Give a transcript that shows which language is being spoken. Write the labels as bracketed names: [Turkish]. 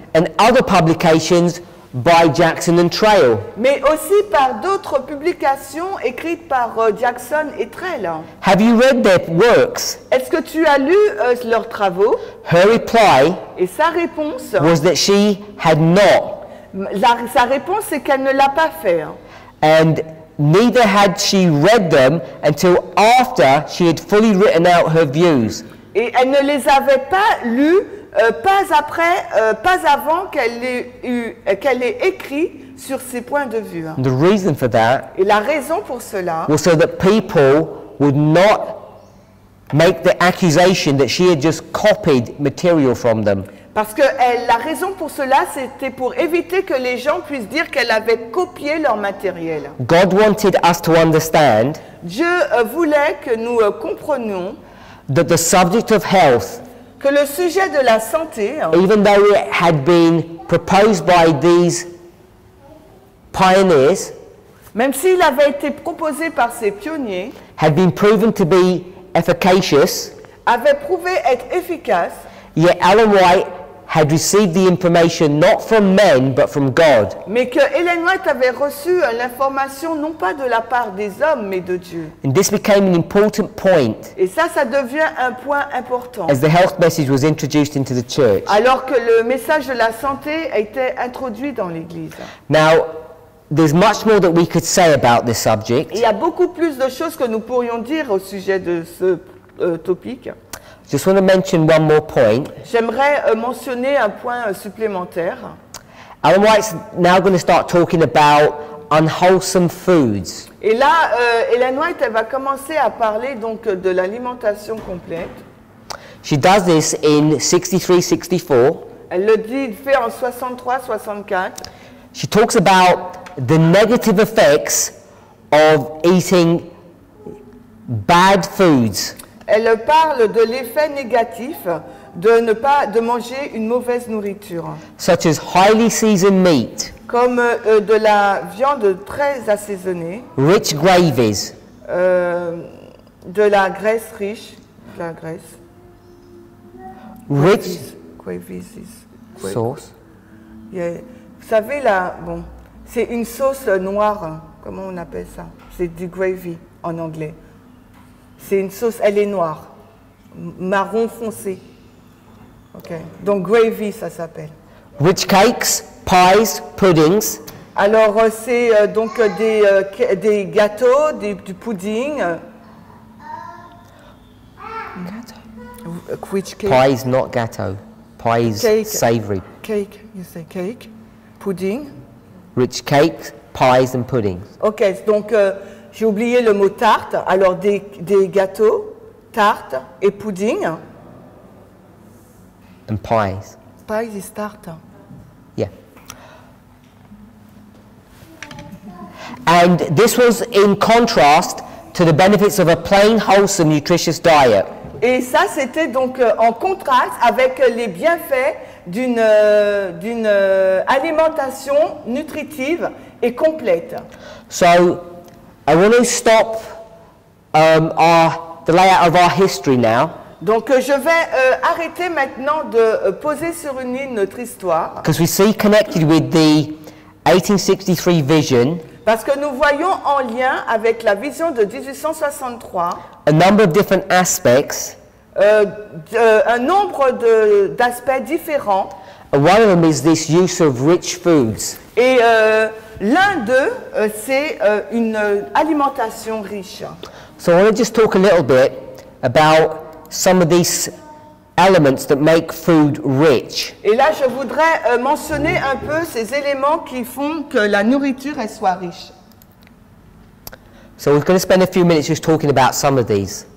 [English] And other publications by Jackson and Trail. [French] Mais aussi par d'autres publications écrites par Jackson et Trail. [English] Have you read their works? [French] Est-ce que tu as lu leurs travaux? [English] Her reply. [French] Et sa réponse. [English] Was that she had not. [French] Sa réponse c'est qu'elle ne l'a pas fait. [English] And neither had she read them until after she had fully written out her views. [French] Et elle ne les avait pas lues pas avant qu'elle ait écrit sur ses points de vue. [English] The reason for that. [French] Et la raison pour cela. [English] Was so that people would not make the accusation that she had just copied material from them. [French] Parce que la raison pour cela, c'était pour éviter que les gens puissent dire qu'elle avait copié leur matériel. [English] God wanted us to understand. [French] Dieu voulait que nous comprenions. [English] That the subject of health. [French] Que le sujet de la santé. [English] Even though it had been proposed by these pioneers. [French] Même s'il avait été proposé par ces pionniers. [English] Had been proven to be efficacious. [French] Avait prouvé être efficace. [English] Yet Ellen White had received the information not from men but from God. [French] Mais que Ellen White avait reçu l'information non pas de la part des hommes mais de Dieu. [English] And this became an important point. [French] Et ça devient un point important. [English] As the health message was introduced into the church. [French] Alors que le message de la santé était introduit dans l'église. [English] Now, there's much more that we could say about this subject. [French] Il y a beaucoup plus de choses que nous pourrions dire au sujet de ce topic. [English] Just want to mention one more point. [French] J'aimerais mentionner un point supplémentaire. [English] Ellen White's now going to start talking about unwholesome foods. [French] Et là, Ellen White, elle va commencer à parler donc de l'alimentation complète. [English] She does this in 63-64. [French] Elle le dit, elle fait en 63-64. [English] She talks about the negative effects of eating bad foods. [French] Elle parle de l'effet négatif de ne pas de manger une mauvaise nourriture. [English] Such as highly seasoned meat. [French] Comme de la viande très assaisonnée. [English] Rich gravies. [French] De la graisse riche. De la graisse. [English] Rich gravies. Gravies. [French] Sauce. [English] Yeah. [French] Vous savez là, bon, c'est une sauce noire. Comment on appelle ça? C'est du gravy en anglais. C'est une sauce, elle est noire, marron foncé. Okay. Donc gravy, ça s'appelle. [English] Rich cakes, pies, puddings. [French] Alors, c'est donc des gâteaux, du pudding. Gâteau. [English] Which cake? Pies, not gâteau. Pies, cake. Savory. Cake, you say cake. Pudding. Rich cakes, pies and puddings. [French] Okay, donc... J'ai oublié le mot tarte. Alors, des gâteaux, tarte et pudding. [English] And pies. Pies is tarte. Yeah. And this was in contrast to the benefits of a plain, wholesome, nutritious diet. [French] Et ça, c'était donc en contraste avec les bienfaits d'une, d'une alimentation nutritive et complète. [English] So... I want to stop the layout of our history now. [French] Donc je vais arrêter maintenant de poser sur une ligne notre histoire. [English] Because we see connected with the 1863 vision. [French] Parce que nous voyons en lien avec la vision de 1863. [English] A number of different aspects. [French] Un nombre de d'aspects différents. [English] One of them is this use of rich foods. [French] Et l'un d'eux, c'est une alimentation riche. [English] So I want to just talk a little bit about some of these elements that make food rich. [French] Et là, je voudrais mentionner un peu ces éléments qui font que la nourriture elle soit riche. [English] So we're going to spend a few minutes just talking about some of these.